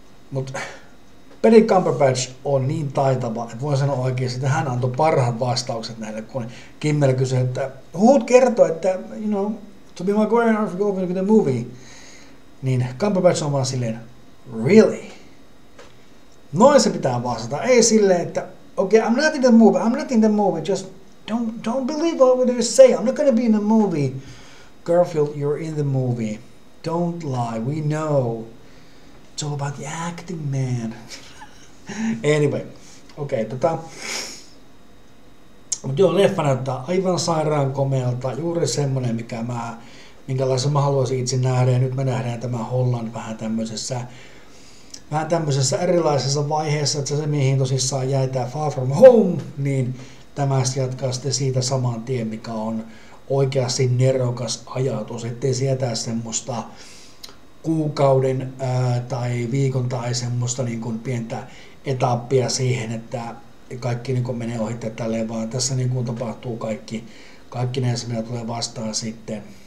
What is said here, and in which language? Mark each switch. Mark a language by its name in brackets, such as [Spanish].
[Finnish] Mutta Benedict Cumberbatch on niin taitava, että voin sanoa oikeasti, että hän antoi parhaat vastaukset näille, kun Kimmel kysyi, että huut kertoi, että [English] you know, Tobey Maguire and Alfred Goldman in the movie, [Finnish] niin Cumberbatch on vaan silleen, really? Noin se pitää vastata. Ei silleen, että [English] okay, I'm not in the movie, just don't believe what they say, I'm not gonna be in the movie. Garfield, you're in the movie. Don't lie, we know. It's all about the acting, man. [Finnish] Anyway, okei, okay, Mutta joo, leffa näyttää aivan sairaan komealta, juuri semmoinen, mikä mä, minkälaisen mä haluaisin itse nähdä, ja nyt me nähdään tämä Holland vähän tämmöisessä erilaisessa vaiheessa, että se mihin tosissaan jäi tämä Far From Home, niin tämä jatkaa sitten siitä saman tien, mikä on oikeasti nerokas ajatus, ettei sietää semmoista kuukauden tai viikon tai semmoista niin kuin pientä etappia siihen, että kaikki niin kuin menee ohi tälleen, vaan tässä niin kuin tapahtuu kaikki ne ensimmäinen tulee vastaan sitten.